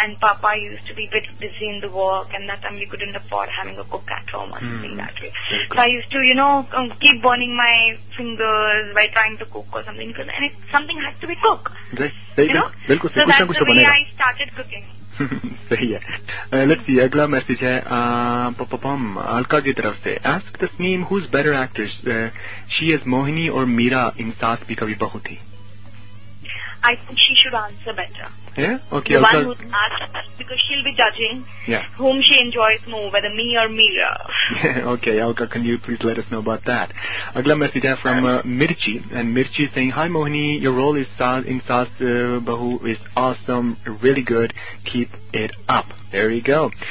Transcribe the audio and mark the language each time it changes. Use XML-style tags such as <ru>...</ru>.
<en>And papa used to be a bit busy in the work, and that time we couldn't afford having a cook at home or something that way. Cool. So I used to, you know, keep burning my fingers by trying to cook or something, because something had to be cooked. Right. So that's the way I started cooking.</en> <hi>सही है.</hi> <en>let's see,</en> <hi>अगला message है अलका की तरफ से.</hi> <en>ask Tasneem who is better actress, she is Mohini</en> <hi>और</hi> <en>Mira in Saas Bhi Kabhi Bahu Thi. I think she should answer better. Yeah? Okay. The one who asked, because she'll be judging yeah. whom she enjoys more, whether me or Mira. Okay, Alka, can you please let us know about that?</en> <hi>Agla</hi> <en>message is from Mirchi, and Mirchi is saying, hi Mohini, your role in Saas Bahu is awesome, really good, keep it up. There you go.</en>